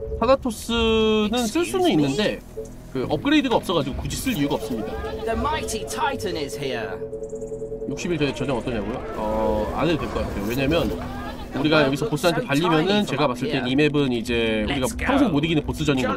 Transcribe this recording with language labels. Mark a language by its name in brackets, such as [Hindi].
[Korean] 타나토스는 쓸 수는 있는데 그 업그레이드가 없어가지고 굳이 쓸 이유가 없습니다. [English] The Mighty Titan is here. [Korean] 61차의 전쟁 어떠냐고요? 안 해도 될 것 같아요. 왜냐면 우리가 여기서 보스한테 발리면은 제가 봤을 땐 이 맵은 이제 우리가 평생 못 이기는 보스전인 걸로.